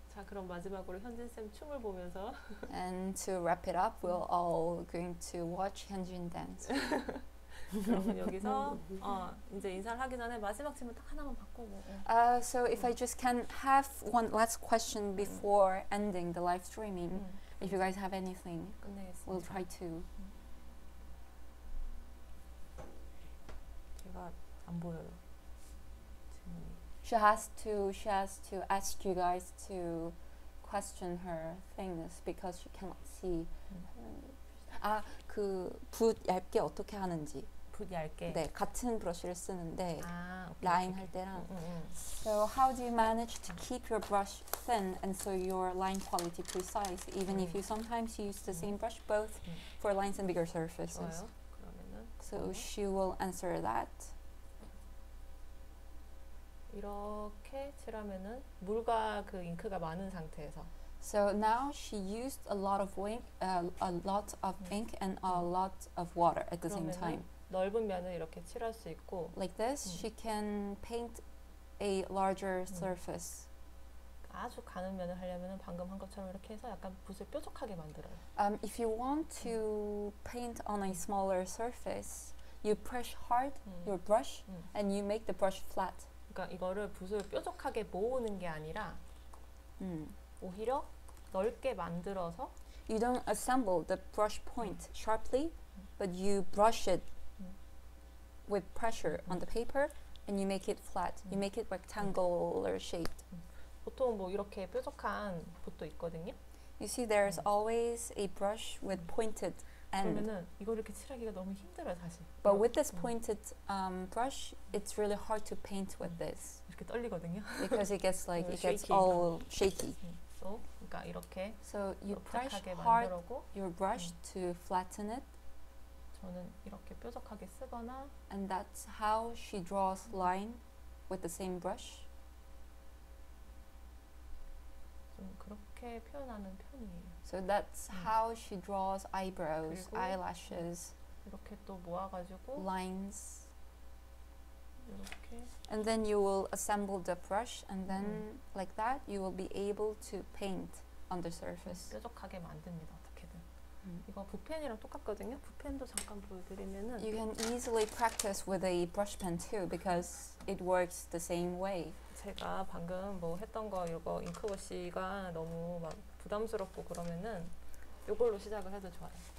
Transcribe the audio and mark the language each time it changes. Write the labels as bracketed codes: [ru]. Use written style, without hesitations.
[ko] 자, 그럼 마지막으로 현진 쌤 춤을 보면서. [en] And to wrap it up, we're all going to watch Hyunjin dance. [ko] 여기서 이제 인사를 하기 전에 마지막 질문 딱 하나만 받고. [en] So if I just can have one last question before ending the live streaming, if you guys have anything, [ko] 끝내겠습니다. [en] We'll try to. [ko] 안 보여요. [en] She has to ask you guys to question her things because she cannot see. [ko] 아, 그 붓 얇게 어떻게 하는지. 붓 얇게. 네, 같은 브러쉬를 쓰는데 아, 오케이, 라인 오케이. 할 때랑. [en] So how do you manage to keep your brush thin and so your line quality precise even if you sometimes use the same brush both for lines and bigger surfaces? [ko] 그러면은, [en] so she will answer that. [ko] 이렇게 칠하면은 물과 그 잉크가 많은 상태에서. [en] So now she used a lot of ink, a lot of ink and a lot of water at the same time. [ko] 넓은 면을 이렇게 칠할 수 있고. [en] Like this, she can paint a larger surface. [ko] 아주 가는 면을 하려면은 방금 한 것처럼 이렇게 해서 약간 붓을 뾰족하게 만들어요. [en] If you want to paint on a smaller surface, you press hard your brush and you make the brush flat. [ko] 그러니까 이거를 붓을 뾰족하게 모으는 게 아니라 오히려 넓게 만들어서 [en] You don't assemble the brush point sharply, but you brush it with pressure on the paper and you make it flat. You make it rectangular shaped. [ko] 보통 뭐 이렇게 뾰족한 붓도 있거든요. [en] You see there's always a brush with pointed end. [ko] 그러면은 이거 이렇게 칠하기가 너무 힘들어요, 사실. [en] But with this pointed brush, it's really hard to paint with this. [ko] 이렇게 떨리거든요. [en] Because it gets like it gets all shaky. [ko] So, 그러니까 이렇게 [en] So you brush hard your brush to flatten it. [ko] 저는 이렇게 뾰족하게 쓰거나 [en] And that's how she draws line with the same brush. [ko] 좀 그렇게 표현하는 편이에요. [en] So that's how she draws eyebrows, eyelashes. [ko] 이렇게 또 모아가지고 [en] lines. [ko] 이렇게. [en] And then you will assemble the brush, and then like that, you will be able to paint on the surface. [ko] 뾰족하게 만듭니다. 어떻게든. 이거 붓펜이랑 똑같거든요. 붓펜도 잠깐 보여드리면은. [en] You can easily practice with a brush pen too, because it works the same way. [ko] 제가 방금 뭐 했던 거 이거 잉크워시가 너무 막 부담스럽고 그러면은 이걸로 시작을 해도 좋아요.